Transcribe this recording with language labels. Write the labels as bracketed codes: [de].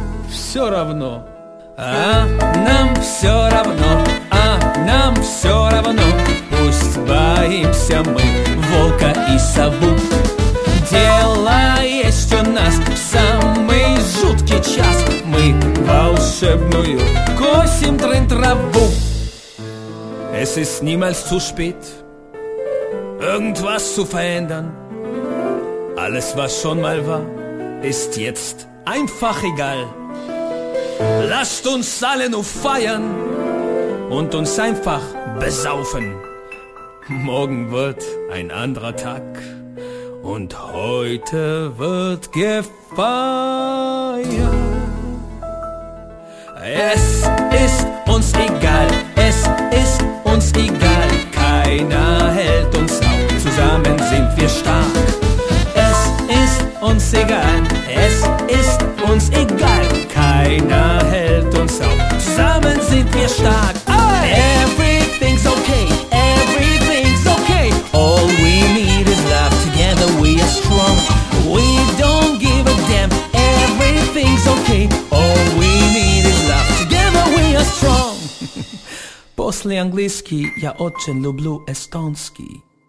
[ru] Все равно, а нам все равно, а нам все равно. Пусть боимся мы волка и сову. Дело есть у нас в самый жуткий час. Мы волшебную косим трынь траву. [de] Es ist niemals zu spät, irgendwas zu verändern. Alles, was schon mal war, ist jetzt einfach egal. Lasst uns alle nur feiern und uns einfach besaufen. Morgen wird ein anderer Tag und heute wird gefeiert. Es ist uns egal, es ist uns egal. Keiner hält uns auf, zusammen sind wir stark. Es ist uns egal, es ist uns egal. Keiner hält uns auf, zusammen sind wir stark. Aye! [en] Everything's okay, everything's okay. All we need is love, together we are strong. We don't give a damn, everything's okay. All we need is love, together we are strong. [ru] После английский я очень люблю эстонский.